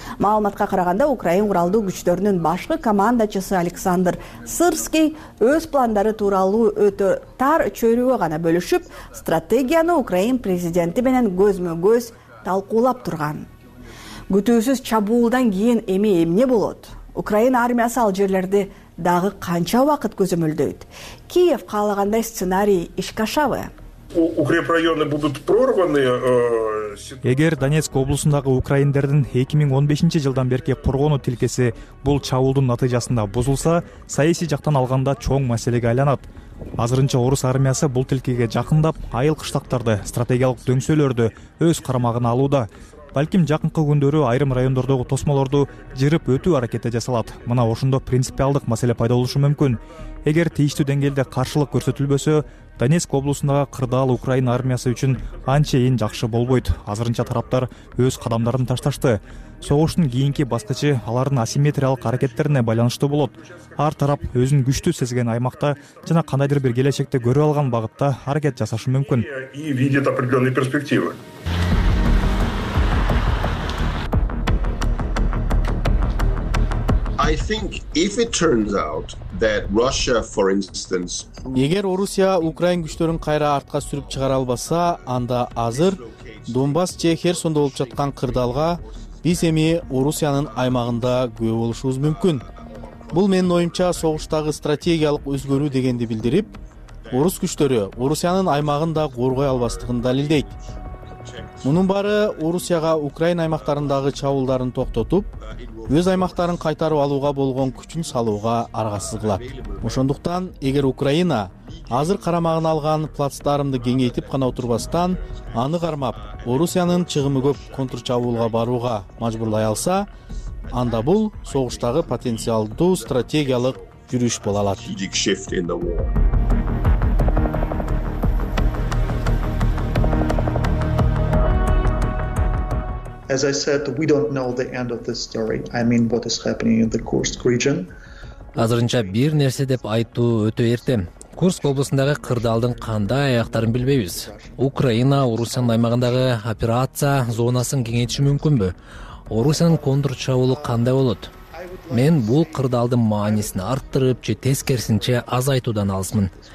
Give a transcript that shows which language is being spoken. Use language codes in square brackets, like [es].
[ky] Маалыматка караганда Украина куралдуу күчтөрүнүн башкы командачысы Александр Сырский өз пландары тууралуу өтө тар чөйрөгө гана бөлүшүп, стратегияны Украина президенти менен көзмө-көз талкуулап турган. Күтүүсүз чабуулдан кийин эми эмне болот? Украина армиясы ал жерлерди дагы канча убакыт көзөмөлдөйт? Киев каалагандай сценарий ишке ашабы? [ru] Укрепрайоны будут прорваны. [ky] Эгер Донецк облусундагы украиндердин 2015 жылдан берки коргоону тилкеси бул чабуулдун натыйжасында бузулса, саясий жактан алганда чоң маселеге айланат. Азырынча орус армиясы бул тилкеге жакындап, айыл кыштактарды, стратегиялык дөңсөлөрдү өз карамагына алууда. Балким жакынкы күндөрү айрым райондордогу тосмолорду жырып өтүү аракети жасалат. Мына ошондо принципиалдык маселе пайда болушу мүмкүн. Эгер тийиштүү деңгээлде каршылык көрсөтүлбөсө, Донецк облусундагы кырдаал Украина армиясы үчүн анчейин жакшы болбойт. Азырынча тараптар өз кадамдарын ташташты. Согуштун кийинки баскычы алардын асимметриялык аракеттерине байланыштуу болот. Ар тарап өзүн күчтүү сезген аймакта жана кандайдыр бир келечекте көрүп алган багытта аракет жасашы мүмкүн. [en] I think if it turns out that Russia, for instance, [ky] Эгер Орусия Украин күчтөрүн кайра артка сүрүп чыгара албаса, анда азыр Донбасс же Херсондо болуп жаткан кырдаалга биз эми Орусиянын аймагында күбө болушубуз мүмкүн. Бул менин оюмча согуштагы стратегиялык өзгөрүү дегенди билдирип, орус күчтөрү Орусиянын аймагын да коргой албастыгын далилдейт. Мунун баары Орусияга Украина аймактарындагы чабуулдарын токтотуп, өз аймактарын кайтарып алууга болгон күчүн салууга аргасыз кылат. Ошондуктан эгер Украина азыр карамагына алган плацдармды кеңейтип гана отурбастан, аны кармап, Орусиянын чыгымы көп контрчабуулга барууга мажбурлай алса, анда бул согуштагы потенциалдуу стратегиялык жүрүш боло алат. [en] As I said, we don't know the end of this story. I mean, what is happening in the Kursk region? [ky] Азырынча бир нерсе деп айтуу өтө эрте. Курск облусундагы кырдаалдын кандай аяктарын билбейбиз. Украина Орусиянын аймагындагы операция зонасын кеңейтиши мүмкүнбү? Орусиянын контрчабуулу кандай болот? Мен бул кырдаалдын маанисин арттырып же тескерисинче азайтуудан алысмын.